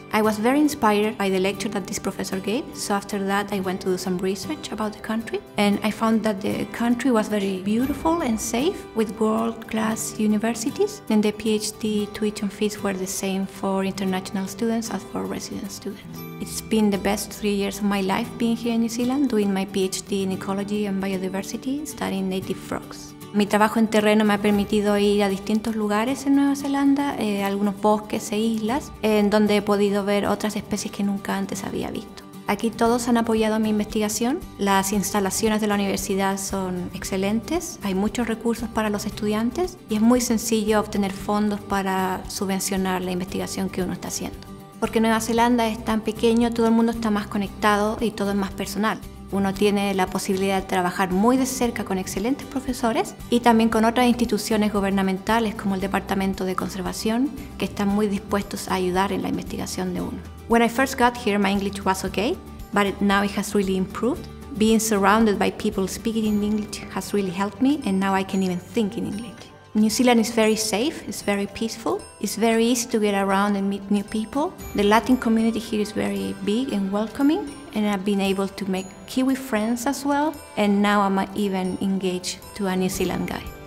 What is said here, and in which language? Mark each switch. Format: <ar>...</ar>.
<en>I was very inspired by the lecture that this professor gave, so after that I went to do some research about the country and I found that the country was very beautiful and safe with world-class universities, and the PhD tuition fees were the same for international students as for resident students. It's been the best 3 years of my life being here in New Zealand, doing my PhD in ecology and biodiversity, studying native frogs.</en> <es>Mi trabajo en terreno me ha permitido ir a distintos lugares en Nueva Zelanda, algunos bosques e islas, en donde he podido ver otras especies que nunca antes había visto. Aquí todos han apoyado mi investigación. Las instalaciones de la universidad son excelentes, hay muchos recursos para los estudiantes y es muy sencillo obtener fondos para subvencionar la investigación que uno está haciendo. Porque Nueva Zelanda es tan pequeño, todo el mundo está más conectado y todo es más personal. Uno tiene la posibilidad de trabajar muy de cerca con excelentes profesores y también con otras instituciones gubernamentales como el Departamento de Conservación, que están muy dispuestos a ayudar en la investigación de uno.</es> <en>When I first got here, my English was okay, but now it has really improved. Being surrounded by people speaking in English has really helped me, and now I can even think in English. New Zealand is very safe, it's very peaceful, it's very easy to get around and meet new people. The Latin community here is very big and welcoming, and I've been able to make Kiwi friends as well, and now I'm even engaged to a New Zealand guy.</en>